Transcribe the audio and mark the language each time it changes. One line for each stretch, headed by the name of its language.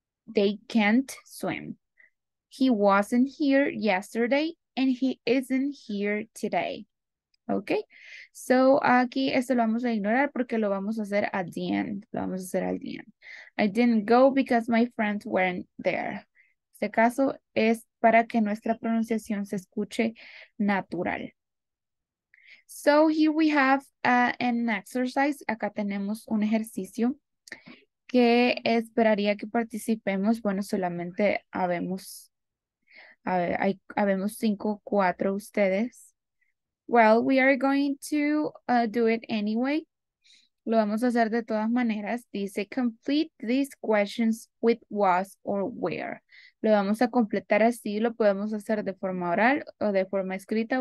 English: They can't swim. He wasn't here yesterday and he isn't here today.
Spanish: Okay, so aquí esto lo vamos a ignorar porque lo vamos a hacer
English: at the end.
Spanish: Lo vamos a hacer al día.
English: I didn't go because my friends weren't there.
Spanish: Este caso es para que nuestra pronunciación se escuche natural.
English: So here we have an exercise.
Spanish: Acá tenemos un ejercicio que esperaría que participemos. Bueno, solamente habemos 5 o 4 ustedes.
English: Well, we are going to do it anyway.
Spanish: Lo vamos a hacer de todas maneras.
English: Dice, complete these questions with was or where.
Spanish: Lo vamos a completar así. Lo podemos hacer de forma oral o de forma escrita.